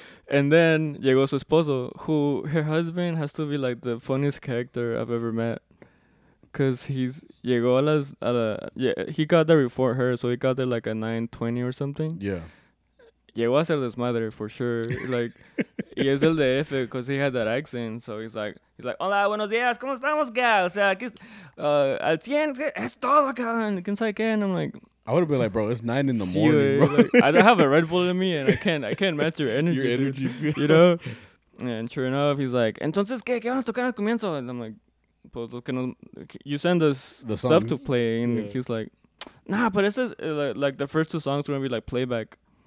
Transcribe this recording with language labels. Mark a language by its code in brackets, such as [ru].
[en] And then [es] llegó su esposo, [en] who, her husband has to be like the funniest character I've ever met. Because he's, [es] llegó a las, a la, [en] yeah, he got there before her, so he got there like at 9:20 or something. Yeah. [es] Llegó a ser desmadre [en] for sure. Like, [es] y es el de [en] F because he had that accent. So he's like, [es] hola, buenos días, ¿cómo estamos, gal? O sea, aquí, al 100, es todo, cabrón. ¿Quién sabe qué? [en] And I'm like, I would have been like, bro, it's 9 in the morning, bro. Like, I don't have a Red Bull in me and I can't match your energy. Your energy, dude, you know? And sure enough, he's like, [es] entonces, ¿qué van a tocar al comienzo? [en] And I'm like, [es] pues, [en] you send us the stuff to play. And he's like, nah, but this is like the first two songs are going to be like playback.